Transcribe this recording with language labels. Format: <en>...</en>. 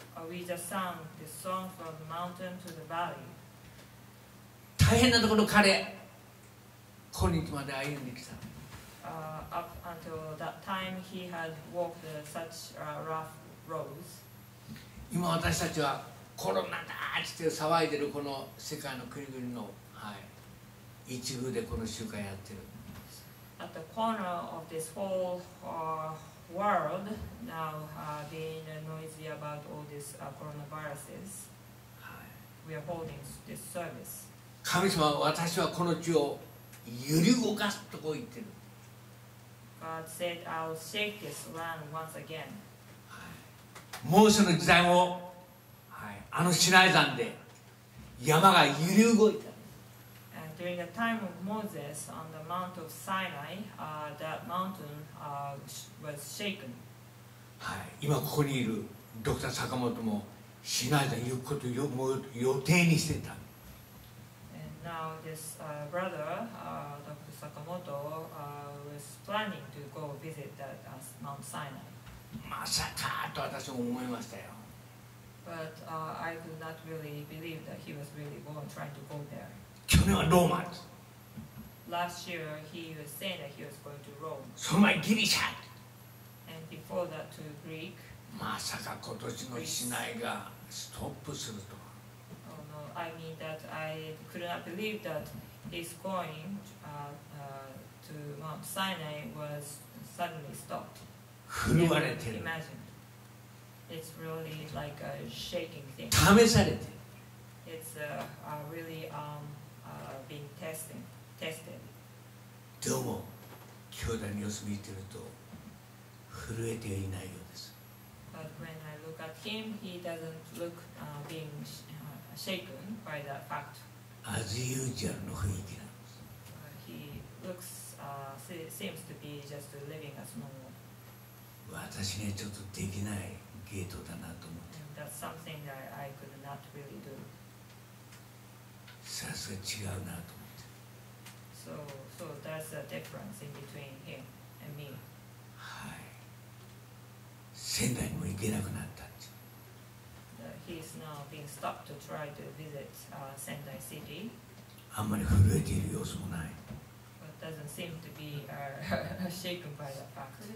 <en>We just sang the song from the mountain to the valley.</en> <ja>大変なところ彼。今日まで歩んできた。</ja> <en>Up until that time, he had walked such rough roads.</en> <ja>今私たちはコロナだって騒いでるこの世界の国々の、はい、一部でこの集会やってる。</ja> <en>At the corner of this whole world, now being noisy about all these coronaviruses,、はい、 we are holding this service.</en> <ja>神様、私はこの地を揺り動かすとこう言ってる。</ja> <en>God said, I'll shake this land once again.</en> <ja>モーセの時代も、はい、あのシナイ山で山が揺り動いた。</ja> <en>During the time of Moses on the Mount of Sinai, that mountain was shaken.</en> <ja>はい、今ここにいるドクター坂本もシナイ山行くことをもう予定にしてた。</ja> <en>Now this brother, Dr. Sakamoto, was planning to go visit that Mount Sinai.</en> <ja>まさかと私も思いましたよ。</ja> <en>But I could not really believe that he was really going trying to go there.</en> <ja>去年はローマ。</ja> <en>Last year he was saying that he was going to Rome.</en> <ja>その前ギリシャ。</ja> <en>And before that to Greek.</en> <ja>まさか今年のシナイがストップすると。</ja> <en>I mean that I could not believe that his going to Mount Sinai was suddenly stopped. Imagine. It's really like a shaking thing.</en> <ja>試されてる。</ja> <en>It's really being tested.</en> <ja>でも教団の様子見てると震えていないようです。</ja> <en>But when I look at him, he doesn't look being shaken by that fact. As usual</en> <ja>の雰囲気なんです。</ja> <en>He looks, seems to be just living as normal.</en> <ja>私にはちょっとできないゲートだなと思って。</ja> <en>And that's something that I could not really do.</en> <ja>さすが違うなと思って。</ja> <en>So that's the difference in between him and me. はい。</en> <ja>仙台にも行けなくなったって。</ja> <en>He is now being stopped to try to visit Sendai City.</en> <ja>あんまり震えている様子もない。</ja> <en>But doesn't seem to be shaken by that fact.</en>